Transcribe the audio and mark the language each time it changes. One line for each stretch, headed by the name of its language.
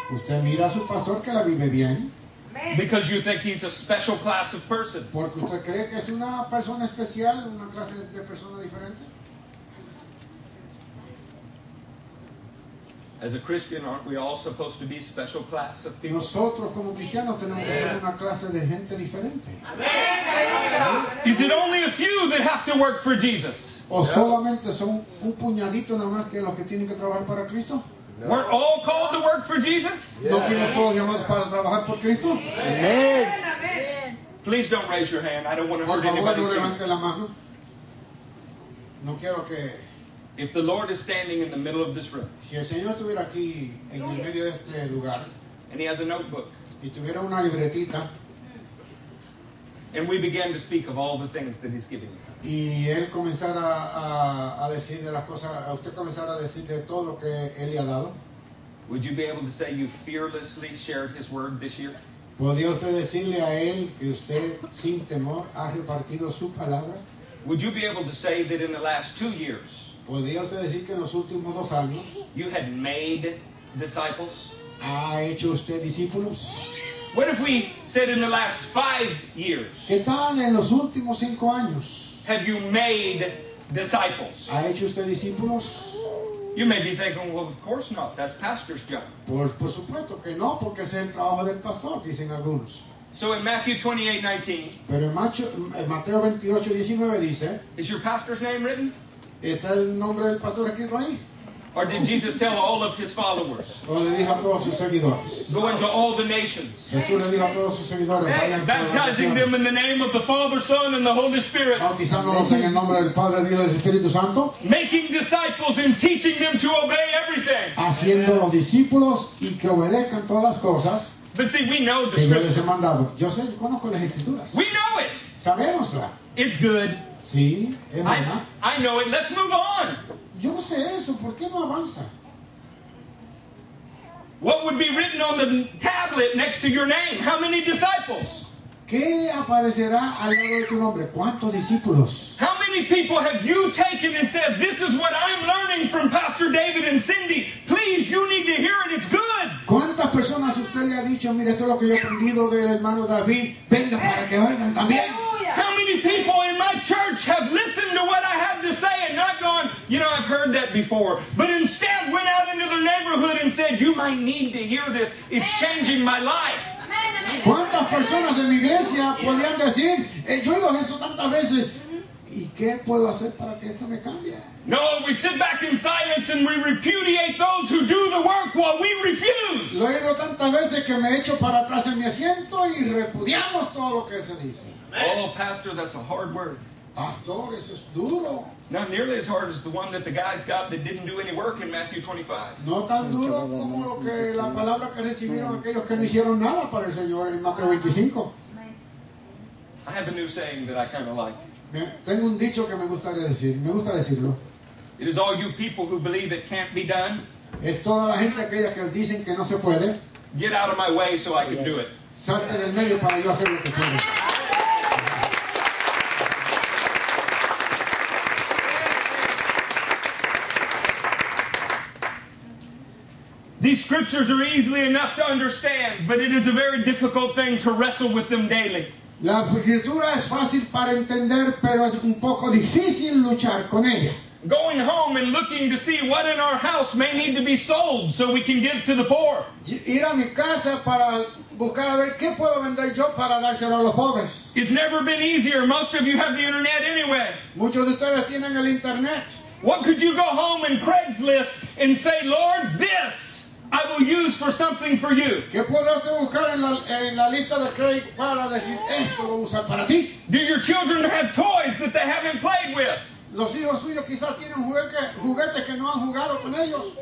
Spanish: Usted mira a su pastor que la vive bien.
English: Because you think he's a special class of person.
Spanish: Porque usted cree que es una persona especial, una clase de persona diferente.
English: As a Christian, aren't we all supposed to be a special class of people?
Spanish: Nosotros como cristianos tenemos que ser una clase de gente diferente.
English: Is it only a few that have to work for Jesus?
Spanish: ¿O solamente son un puñadito nada más que los que tienen que trabajar para Cristo?
English: We're all called to work for Jesus?
Spanish: ¿No fuimos todos llamados para trabajar por Cristo?
English: Amen. Please don't raise your hand. I don't want to hurt anybody's feelings.
Spanish: No quiero que...
English: If the Lord is standing in the middle of this room,
Spanish: si el Señor estuviera aquí en el medio de este lugar,
English: and he has a notebook,
Spanish: y tuviera una libretita,
English: and we began to speak of all the things that he's giving you.
Spanish: Y él comenzara a decir de las cosas, a usted comenzara a decir de todo lo que él le ha dado.
English: Would you be able to say you fearlessly shared his word this year?
Spanish: ¿Podría usted decirle a él que usted sin temor ha repartido su palabra?
English: Would you be able to say that in the last 2 years?
Spanish: ¿Podría usted decir que en los últimos dos años?
English: You had made disciples.
Spanish: ¿Ha hecho usted discípulos?
English: What if we said in the last 5 years?
Spanish: ¿Qué tal en los últimos 5 años?
English: Have you made disciples?
Spanish: ¿Ha hecho usted discípulos?
English: You may be thinking, well, of course not. That's pastor's job.
Spanish: Por supuesto que no, porque es el trabajo del pastor, dicen algunos.
English: So in Matthew 28:19.
Spanish: Pero en Mateo 28:19 dice.
English: Is your pastor's name written?
Spanish: ¿Está el nombre del pastor escrito ahí?
English: Or did Jesus tell all of his followers?
Spanish: ¿O le dijo a todos sus seguidores?
English: Go into all the nations.
Spanish: Jesús le dijo a todos sus seguidores. Hey,
English: baptizing them in the name of the Father, Son, and the Holy Spirit.
Spanish: Bautizándolos en el nombre del Padre, Dios y del Espíritu Santo.
English: Making disciples and teaching them to obey everything.
Spanish: Haciendo los discípulos y que obedezcan todas las cosas.
English: But see, we know the scriptures.
Spanish: Que yo les he mandado. Yo sé, yo conozco las escrituras.
English: We know it.
Spanish: Sabemosla.
English: It's good.
Spanish: Sí, es buena.
English: I know it. Let's move on.
Spanish: Yo sé eso. ¿Por qué no avanza?
English: What would be written on the tablet next to your name? How many disciples?
Spanish: ¿Qué aparecerá al lado de tu nombre? ¿Cuántos discípulos?
English: How many people have you taken and said, this is what I'm learning from Pastor David and Cindy. Please, you need to hear it. It's good.
Spanish: ¿Cuántas personas usted le ha dicho, mire, esto es lo que yo he aprendido del hermano David. Venga para que oigan también.
English: How many people in my church have listened to what I have to say and not gone, you know, I've heard that before, but instead went out into their neighborhood and said, you might need to hear this. It's changing my life.
Spanish: ¿Cuántas personas de mi iglesia podrían decir, yo oigo eso tantas veces, y qué puedo hacer para que esto me cambie?
English: No, we sit back in silence and we repudiate those who do the work while we refuse.
Spanish: Lo oigo tantas veces que me echo para atrás en mi asiento y repudiamos todo lo que se dice.
English: Oh, pastor, that's a hard word.
Spanish: Pastor, eso es duro.
English: Not nearly as hard as the one that the guys got that didn't do any work in Matthew 25.
Spanish: No tan duro como lo que la palabra que recibieron aquellos que no hicieron nada para el Señor en Mateo 25.
English: I have a new saying that I kind of like.
Spanish: Tengo un dicho que me gustaría decir. Me gusta decirlo.
English: It is all you people who believe it can't be done.
Spanish: Es toda la gente aquella que dicen que no se puede.
English: Get out of my way so I can do it.
Spanish: Salte del medio para yo hacer lo que puedo.
English: These scriptures are easily enough to understand, but it is a very difficult thing to wrestle with them daily.
Spanish: La escritura es fácil para entender, pero es un poco difícil luchar con ella.
English: Going home and looking to see what in our house may need to be sold so we can give to the poor.
Spanish: Ir a mi casa para buscar a ver qué puedo vender yo para dárselo a los pobres.
English: It's never been easier. Most of you have the internet anyway.
Spanish: Muchos de ustedes tienen el internet.
English: What could you go home and Craigslist and say, Lord, this I will use for something for you.
Spanish: ¿Qué podrás buscar en la lista de Craig para decir esto lo voy a usar para ti?
English: Do your children have toys that they haven't played with?
Spanish: Los hijos suyos quizás tienen juguetes que no han jugado con ellos.